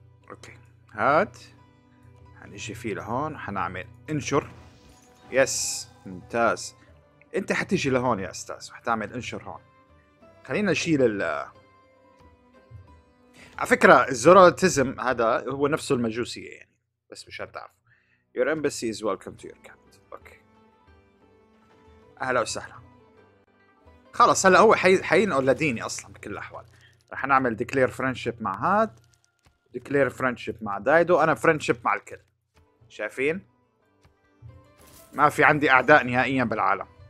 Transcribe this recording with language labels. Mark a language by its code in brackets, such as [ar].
[ar] أوكي هاد هنجي فيه لهون حنعمل انشر. يس ممتاز انت حتيجي لهون يا استاذ وحتعمل انشر هون. خلينا نشيل ال على فكرة الزوراتيزم هذا هو نفسه المجوسية يعني بس مش هتعرف. [en] Your embassy is welcome to your camp. [ar] اوكي اهلا وسهلا. خلص هلا هو حينقل لديني اصلا بكل الاحوال. رح نعمل [en] declare friendship [ar] مع هاد declare friendship مع دايدو. انا friendship مع الكل شايفين ما في عندي اعداء نهائيا بالعالم.